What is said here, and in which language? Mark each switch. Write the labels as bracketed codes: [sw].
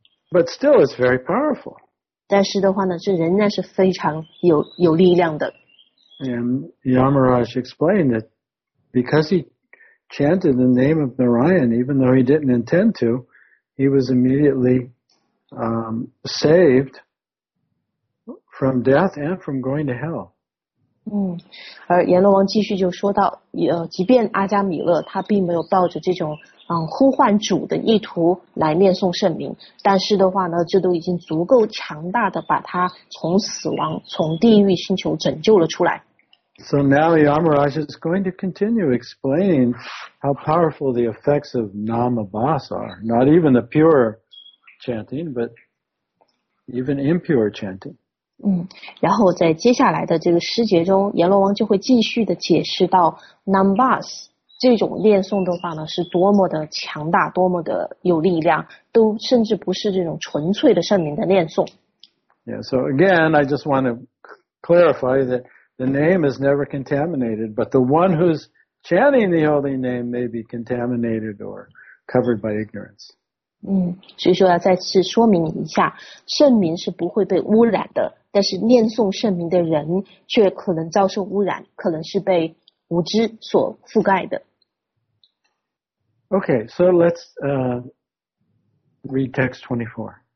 [en] But still it's very powerful. [zh] 但是的话呢，这仍然是非常 有力量的。 [en] And Yamaraj explained that because he chanted the name of Narayan, even though he didn't intend to, he was immediately saved from death and from going to hell. [zh] 而阎罗王继续就说到，即便阿迦米勒他并没有抱着这种呼唤主的意图来念诵圣名，但是的话呢，这都已经足够强大的把他从死亡、从地狱星球拯救了出来。 [en] So now Yamaraj is going to continue explaining how powerful the effects of namabhas are. Not even the pure chanting, but even impure chanting. [zh] 然后在接下来的这个诗节中，阎罗王就会继续的解释到 namabhas 这种念诵的话呢，是多么的强大，多么的有力量，都甚至不是这种纯粹的圣名的念诵。 [en] Yeah, so again, I just want to clarify that the name is never contaminated, but the one who's chanting the holy name may be contaminated or covered by ignorance. [zh] 所以说要再次说明一下，圣名是不会被污染的，但是念诵圣名的人却可能遭受污染，可能是被无知所覆盖的。 [en] Okay, so let's read text 24.